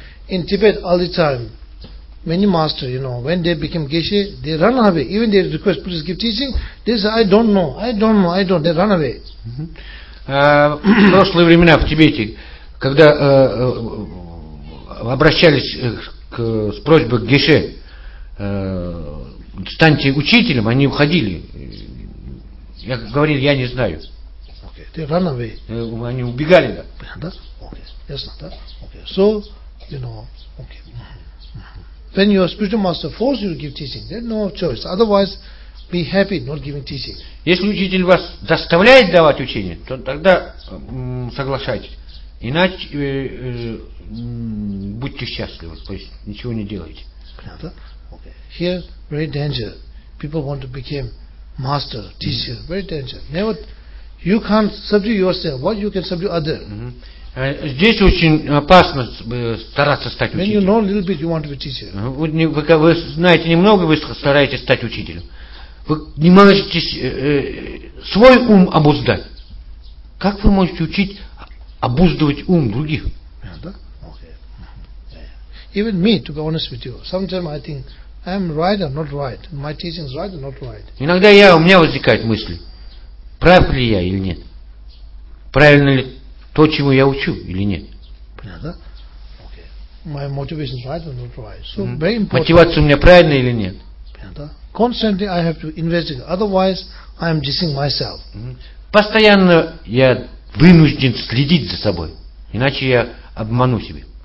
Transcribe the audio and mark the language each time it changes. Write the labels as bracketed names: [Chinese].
[English] In Tibet, all the time, many masters, you know, when they became geshe, they run away. Even they request, please give teaching, they say, I don't know, they run away. [Russian] В прошлые времена в Тибете, когда обращались с просьбой к геше, станьте учителем, они уходили. Я говорил, я не знаю. [English] Okay. They run away. [Russian] Они убегали, да? [English] Да? Okay. Yes, да? Okay. So, you know, okay. When your spiritual master forces you to give teaching, then no choice. Otherwise, be happy not giving teaching. [Russian] Если учитель вас заставляет давать учение, то тогда соглашайтесь. Иначе будьте счастливы, то есть ничего не делайте. Понятно? [English] Here, very danger. People want to become master, teacher. Mm-hmm. Very danger. Never, you can't subdue yourself. What you can subdue other? Mm-hmm. [Russian] Здесь очень опасно стараться стать учителем. [English] You know a little bit, you want to be teacher. [Russian] Вы знаете немного, вы стараетесь стать учителем. Вы не можете свой ум обуздать. Как вы можете учить обуздывать ум других? [English] Even me, to be honest with you, sometimes I think I'm right or not right. My teaching is right or not right. [Russian] Иногда у меня возникают мысли, прав ли я или нет, правильно ли то, чему я учу, или нет. Понятно? [English] Okay. My motivation is right or not right. So very important. [Russian] Мотивация у меня правильная или нет? Понятно? [English] Constantly I have to investigate. Otherwise, I am dissing myself. [Russian] Постоянно я вынужден следить за собой, иначе я обману себя.